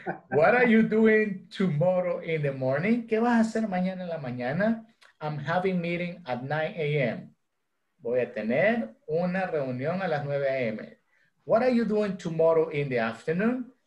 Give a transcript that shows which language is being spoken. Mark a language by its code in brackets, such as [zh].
[en] What are you doing tomorrow in the morning? [es] ¿Qué vas a hacer mañana en la mañana? [en] I'm having meeting at 9 a.m. [es] Voy a tener una reunión a las 9 a.m. [en] What are you doing tomorrow in the afternoon?